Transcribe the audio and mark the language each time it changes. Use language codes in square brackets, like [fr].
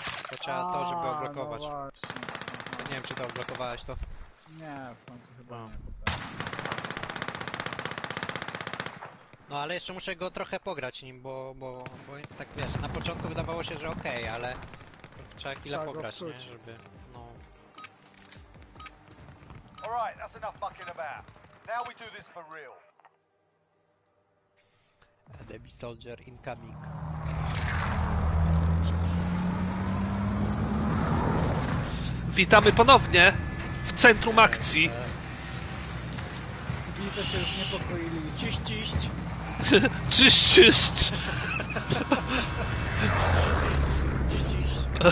[pl] To trzeba to, żeby oblokować. No nie wiem, czy to oblokowałeś to. Nie, w końcu chyba nie. No ale jeszcze muszę go trochę pograć nim, bo tak wiesz, na początku wydawało się, że okej, ale trzeba chwilę pograć, nie? Żeby. No. [en] Alright, that's enough bucking about. Now we do this for real. Enemy soldier incoming. [pl] Witamy ponownie w centrum akcji. Widzę, się już niepokoili. Ciść, ciść. Ciść, ciść. Ciść, ciść.